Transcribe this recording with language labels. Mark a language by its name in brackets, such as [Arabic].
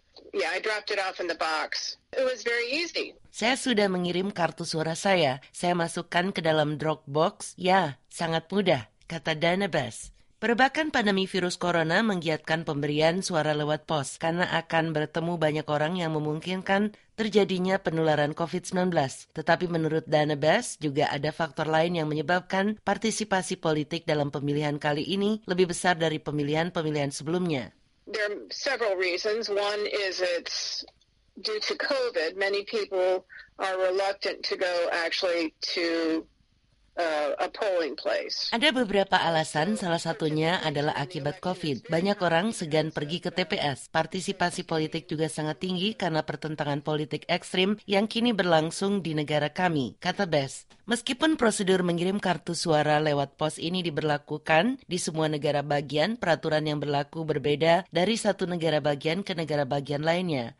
[English] Yeah, I dropped it off in the box. It was very easy. [Indonesian] Saya sudah mengirim kartu suara saya. Saya masukkan ke dalam drop box. Ya, sangat mudah, kata Dana Bass. Perebakan pandemi virus corona menggiatkan pemberian suara lewat pos karena akan bertemu banyak orang yang memungkinkan terjadinya penularan COVID-19. Tetapi menurut Dana Bass, juga ada faktor lain yang menyebabkan partisipasi politik dalam pemilihan kali ini lebih besar dari pemilihan-pemilihan sebelumnya. [English] There are several reasons. One is it's due to COVID. Many people are reluctant to go actually to a polling place. [Indonesian] Ada beberapa alasan, salah satunya adalah akibat COVID. Banyak orang segan pergi ke TPS. Partisipasi politik juga sangat tinggi karena pertentangan politik ekstrim yang kini berlangsung di negara kami, kata Bass. Meskipun prosedur mengirim kartu suara lewat pos ini diberlakukan di semua negara bagian, peraturan yang berlaku berbeda dari satu negara bagian ke negara bagian lainnya.